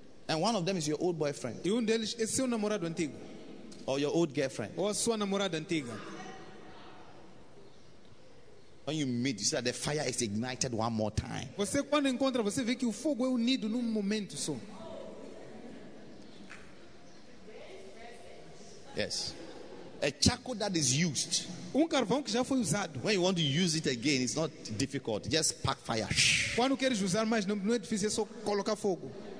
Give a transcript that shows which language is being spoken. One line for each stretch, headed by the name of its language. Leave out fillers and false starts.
English: And one of them is your old boyfriend.
Portuguese: E um deles é seu namorado antigo.
English: Or your old girlfriend.
Portuguese: Ou a sua namorada antiga.
English: When you meet, you see that the fire is ignited one more time.
Portuguese: Você quando encontra, você vê que o fogo é unido num momento só.
English: Yes. A charcoal that is used.
Portuguese: Um carvão que já foi usado.
English: When you want to use it again, it's not difficult. Just pack fire.
Portuguese: Quando queres usar mais, não é difícil, é só colocar fogo.